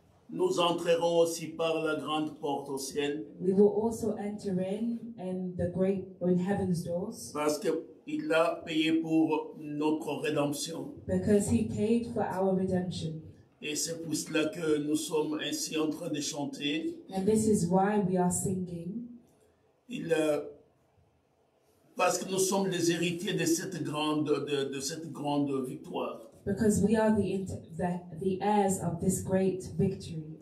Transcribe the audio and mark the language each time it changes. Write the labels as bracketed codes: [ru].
[fr] Nous entrerons aussi par la grande porte au ciel. [en] We will also enter in and the great or in heaven's doors. [fr] Parce qu'il a payé pour notre rédemption. [en] Because he paid for our redemption. [fr] Et c'est pour cela que nous sommes ainsi en train de chanter. [en] And this is why we are singing. [fr] Il a parce que nous sommes les héritiers de cette grande de cette grande victoire. [en] Because we are the heirs of this great victory.